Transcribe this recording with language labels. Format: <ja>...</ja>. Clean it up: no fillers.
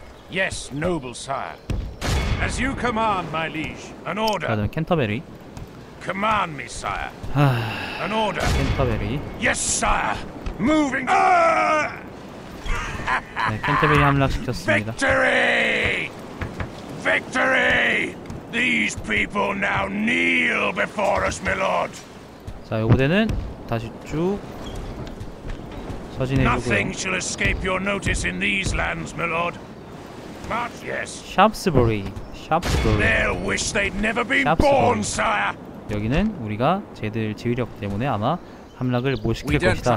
<en>Yes, noble sire. As you command, my liege. An order.</en> <ko>그럼 캔터베리.</ko> <en>Command me, sire. An order.</en> <ko>캔터베리.</ko> <en>Yes, sire. Moving.</en> <ko>네, 캔터베리 함락시켰습니다.</ko> <en>Victory! Victory! These people now kneel before us, my lord.</en> <ko>자, 요번에는 다시 쭉.</ko> <en>Nothing shall escape your notice in these lands, my lord. But yes, Shaftesbury, Shaftesbury. They'll wish they'd never been born, sire.</en> <ko>여기는 우리가 쟤들 지휘력 때문에 아마 함락을 못 시킬 것이다.</ko>